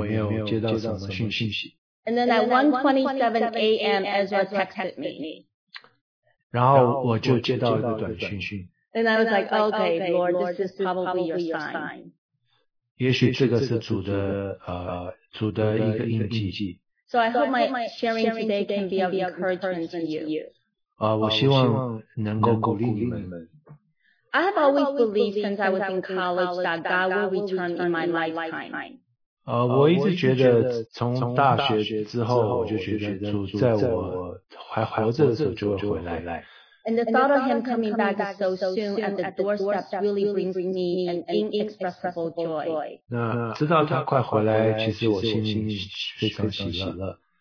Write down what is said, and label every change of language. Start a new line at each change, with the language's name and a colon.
Chinese: 然后我就快要睡了，我也没有接到什么讯息。
English: And then at 1:27 a.m. Ezra texted me.
Chinese: 然后我就接到一个短讯。
English: And I was like, okay, Lord, this is probably your sign.
Chinese: 也许这个是主的一个印记。
English: So I hope my sharing today can be of encouragement to you.
Chinese: 我希望能够鼓励你们。
English: I have always believed since I was in college that God will return in my lifetime.
Chinese: 我一直觉得从大学之后，我就觉得主在我还活着的时候就会回来。
English: And the thought of Him coming back so soon at the doorstep really brings me an inexpressible joy.
Chinese: 那知道他快回来，其实我心里非常喜乐。